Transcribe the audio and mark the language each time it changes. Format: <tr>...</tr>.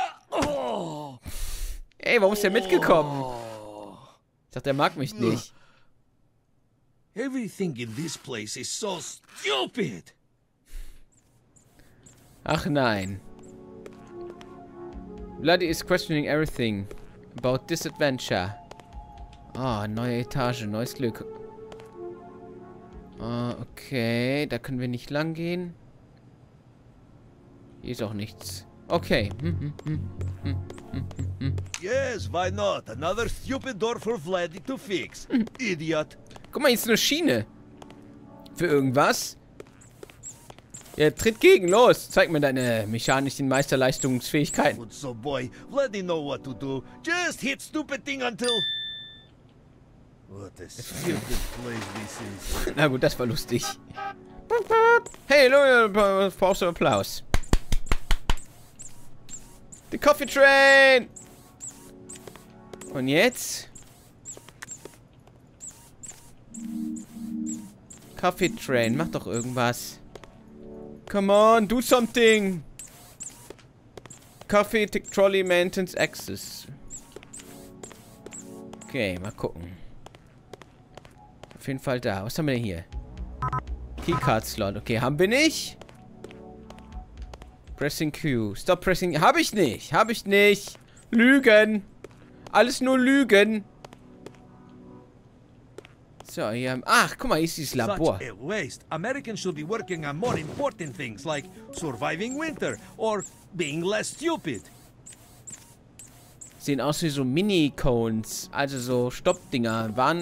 <de>Oh. Ey, warum ist der mitgekommen? Ich dachte, er mag mich nicht.</de> <en>Everything in this place is so stupid.</en> <de>Ach nein.</de> <en>Bloody is questioning everything about this adventure.</en> <de>Ah, oh, neue Etage, neues Glück. Okay, da können wir nicht lang gehen. Hier ist auch nichts. Okay.</de> <en>Yes, why not? Another stupid door for Vladdy to fix. Idiot.</en> <de>Guck mal, hier ist eine Schiene. Für irgendwas. Ja, tritt gegen, los. Zeig mir deine mechanischen Meisterleistungsfähigkeiten.</de> <en>Good so boy. Vladdy know what to do. Just hit stupid thing until... What a stupid place this is.</en> <de>Na gut, das war lustig. Hey, Leute, brauchst du Applaus? The Coffee Train! Und jetzt? Coffee Train, mach doch irgendwas.</de> <en>Come on, do something. Coffee Trolley Maintenance Access.</en> <de>Okay, mal gucken. Auf jeden Fall da. Was haben wir denn hier? Keycard Slot. Okay, haben wir nicht.</de> <en>Pressing Q. Stop pressing.</en> <de>Habe ich nicht. Habe ich nicht. Lügen. Alles nur Lügen. So, hier haben. Ach, guck mal, hier ist dieses Labor.</de> <en>Such a waste. Americans should be working on more important things like surviving winter or being less stupid.</en> <de>Sehen aus wie so Mini-Cones. Also so Stoppdinger.</de>